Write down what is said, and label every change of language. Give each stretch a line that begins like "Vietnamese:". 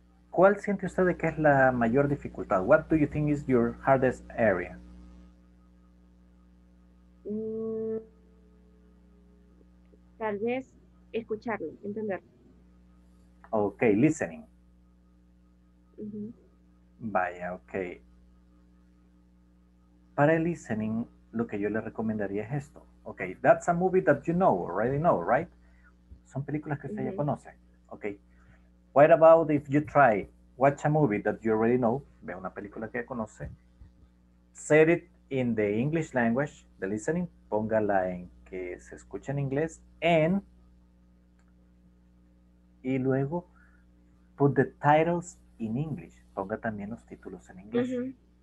Spanish: ¿cuál siente usted de que es la mayor dificultad?
English: What do you think is your hardest area?
Spanish: Tal vez escucharlo, entenderlo.
English: Ok, listening.
Spanish: Vaya, ok. Para el listening, lo que yo le recomendaría es esto.
English: Ok, that's a movie that you know, already know, right?
Spanish: Son películas que usted ya conoce. Ok.
English: What about if you try? Watch a movie that you already know,
Spanish: ve una película que ya conoce,
English: set it in the English language, the listening,
Spanish: póngala en que se escuche en inglés, y luego
English: put the titles in English,
Spanish: ponga también los títulos en inglés.